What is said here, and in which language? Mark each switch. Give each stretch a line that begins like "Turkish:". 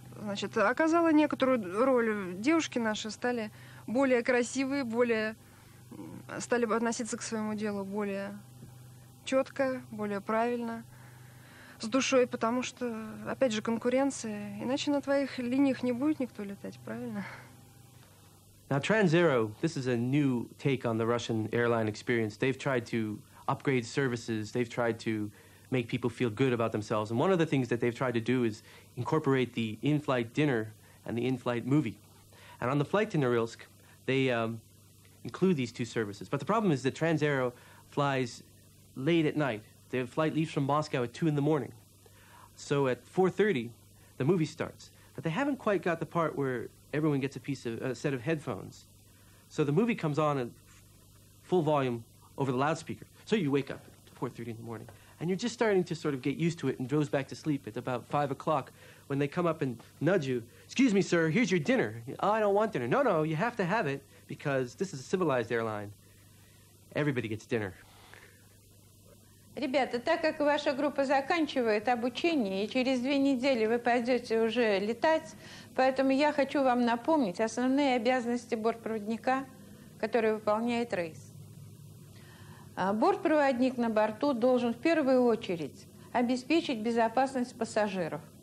Russian: значит, оказала некоторую роль. Девушки наши стали более красивые, более... стали относиться к своему делу более четко, более правильно, с душой, потому что, опять же, конкуренция. Иначе на твоих линиях не будет никто летать, правильно?
English: Now, Trans-Aero, this is a new take on the Russian airline experience. They've tried to upgrade services, they've tried to make people feel good about themselves. And one of the things that they've tried to do is incorporate the in-flight dinner and the in-flight movie. And on the flight to Norilsk, they include these two services. But the problem is that Trans-Aero flies late at night. Their flight leaves from Moscow at 2 in the morning. So at 4:30, the movie starts. But they haven't quite got the part where everyone gets a set of headphones. So the movie comes on at full volume over the loudspeaker. So you wake up at 4:30 in the morning. And you're just starting to sort of get used to it and doze back to sleep at about 5 o'clock when they come up and nudge you. Excuse me, sir, here's your dinner. Oh, I don't want dinner. No, no, you have to have it because this is a civilized airline. Everybody gets dinner.
Russian: Ребята, так как ваша группа заканчивает обучение, и через 2 недели вы пойдете уже летать, поэтому я хочу вам напомнить основные обязанности бортпроводника, которые выполняет рейс. Бортпроводник на борту должен в первую очередь обеспечить безопасность пассажиров.